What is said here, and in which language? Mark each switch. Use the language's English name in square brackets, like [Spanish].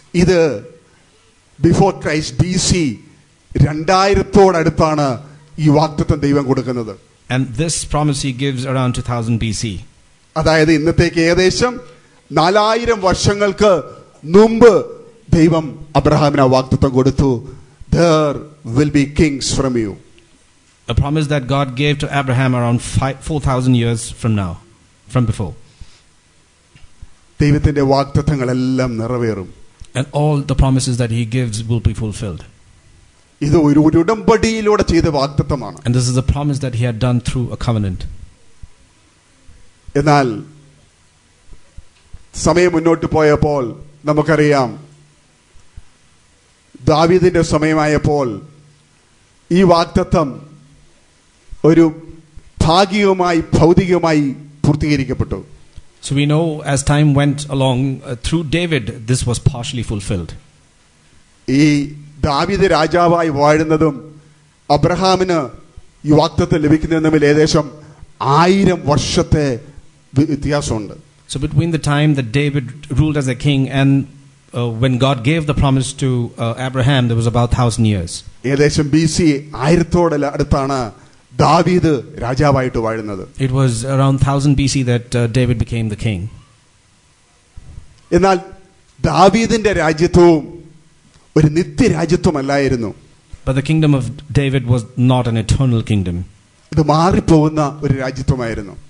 [Malayalam] ഇത് before Christ BC 2000 അടുത്താണ് ഈ വാഗ്ദത്തം ദൈവം കൊടുക്കുന്നത്. [English] And this promise he gives around 2000 BC. [Malayalam] അതായത് ഇന്നത്തേക്ക് ഏകദേശം 4000 വർഷങ്ങൾക്ക് മുമ്പ് ദൈവം അബ്രഹാമിന് ആ വാഗ്ദത്തം കൊടുത്തു. [English] There will be kings from you. A promise that God gave to Abraham around 4000 years from now, from before. [Malayalam] ദൈവത്തിന്റെ വാഗ്ദത്തങ്ങൾ എല്ലാം നിറവേറും. [English] And all the promises that he gives will be fulfilled. [Malayalam] ഇത് ഒരു ഉടമ്പടിയിലൂടെ ചെയ്ത വാഗ്ദത്തമാണ്. [English] And this is a promise that he had done through a covenant. [Malayalam] എന്നാൽ സമയം മുന്നോട്ട് പോയപ്പോൾ നമുക്കറിയാം, ദാവീദിന്റെ സമയമായപ്പോൾ ഈ വാഗ്ദത്തം ഒരു ഭാഗികമായി ഭൗതികമായി പൂർത്തീകരിക്കപ്പെട്ടു. [English] So we know as time went along through David this was partially fulfilled. [Malayalam] ഈ ദാവീദ് രാജാവായി വാഴുന്നതും അബ്രഹാമിന് ഈ വാഗ്ദത്തം ലഭിക്കുന്നതും തമ്മിൽ ഏകദേശം 1000 വർഷത്തെ വ്യത്യാസമുണ്ട്. [English] So between the time that David ruled as a king and when God gave the promise to Abraham there was about 1000 years. [Malayalam] ഏകദേശം BC 1000 ഓട് അടുത്താണ് ദാവീദ് രാജാവായിട്ട് വാഴുന്നത്. [English] It was around 1000 BC that David became the king. [Malayalam] എന്നാൽ ദാവീദിന്റെ രാജ്യത്വവും ഒരു നിത്യരാജ്യത്വമല്ലായിരുന്നു. [English] But the kingdom of David was not an eternal kingdom. [Malayalam] ഇത് മാറിപോകുന്ന ഒരു രാജ്യത്വമായിരുന്നു.